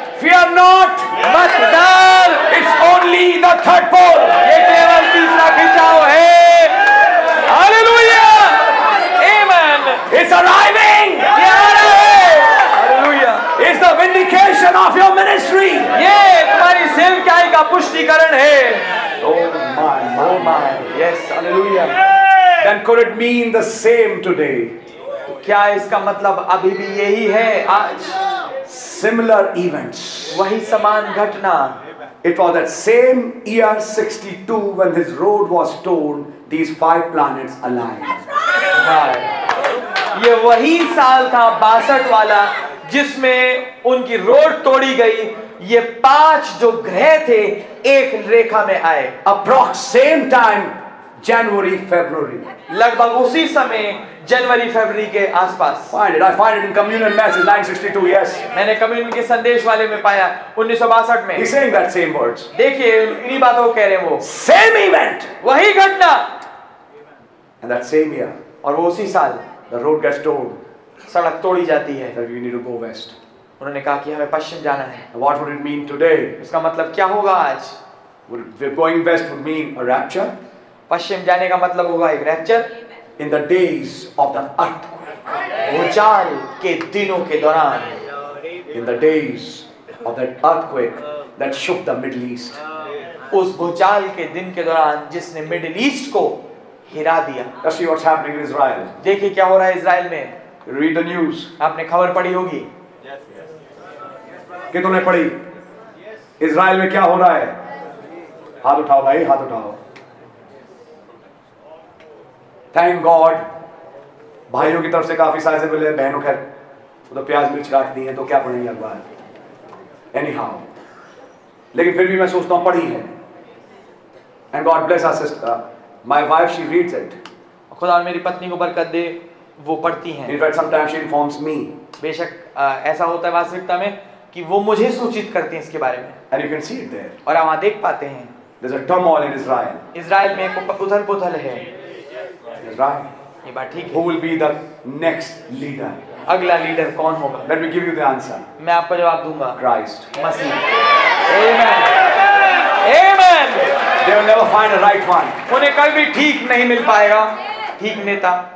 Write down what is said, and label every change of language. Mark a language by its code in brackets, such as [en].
[en] Fear not, [hi] मत डर। [en] It's only the third pole. [hi] ये केवल तीसरा खिंचाव है। Hallelujah, amen. [en] It's arriving. [hi] ये आ रहा है। Hallelujah. [en] It's the vindication of your ministry. [hi] ये तुम्हारी सेवकाई का पुष्टिकरण है। [en] Oh my. Yes, Hallelujah. Then could it mean the same today? [hi] क्या इसका मतलब अभी भी यही है आज? [en] Similar events. [hi] वही समान घटना. [en] It was that same year 62 when his road was torn. These 5 planets aligned. [hi] ये वही साल था 62 वाला जिसमें उनकी रोड तोड़ी गई. ये 5 जो ग्रह थे एक रेखा में आए. [en] Approx same time January February. [hi] लगभग उसी समय जनवरी फरवरी के आसपास। [en] I find it in communion message 962, yes. [hi] मैंने कम्युनियन के संदेश वाले में पाया 1962 में। [en] He's saying that same words. [hi] देखिए इन्हीं बातों को कह रहे हैं वो। [en] Same event. [hi] वही घटना। [en] And that same year. [hi] और वो उसी साल। [en] The road gets torn. [hi] सड़क तोड़ी जाती है। [en] That you need to go west. [hi] उन्होंने कहा कि हमें पश्चिम जाना है। [en] What would it mean today? [hi] इसका मतलब क्या होगा आज? [en] Going west would mean a rapture. [hi] पश्चिम जाने का मतलब होगा एक rapture. [en] In the days of the earthquake, [hi] भूचाल के दिनों के दौरान, [en] In the days of that earthquake that shook the Middle East, [hi] उस भूचाल के दिन के दौरान जिसने मिडिल ईस्ट को हिरा दिया। [en] Let's see what's happening in Israel. [hi] देखिए क्या हो रहा है इज़राइल में। [en] Read the news. [hi] आपने खबर पढ़ी होगी। कितने पढ़ी? इज़राइल में क्या हो रहा है? हाथ उठाओ भाई, हाथ उठाओ। [en] thank God [hi] भाइयों की तरफ से काफी सहायता मिले, बहनों खैर तो प्याज मिर्च रख दी है तो क्या पढ़ेंगे अखबार [en] anyhow, [hi] लेकिन फिर भी मैं सोचता हूँ पढ़ी है। [en] And God bless our sister, my wife she reads it. [hi] खुदा मेरी पत्नी को बरकत दे वो पढ़ती हैं। [en] In fact, sometimes she informs me. [hi] बेशक ऐसा होता है वास्तविकता में कि वो मुझे सूचित करती हैं इसके बारे में। [en] And you can see it there. [hi] और आप वहाँ देख पाते हैं। [en] There's a turmoil in Israel. [hi] Israel में उथल-पुथल है। [en] Israel. [hi] ये बात ठीक है। [en] Who will be the next leader? [hi] अगला लीडर कौन होगा? [en] Let me give you the answer. [hi] मैं आपको जवाब दूंगा। [en] Christ. [hi] Masih. Amen. Amen. [en] They will never find a right one. [hi] उन्हें कभी ठीक नहीं मिल पाएगा, ठीक नेता।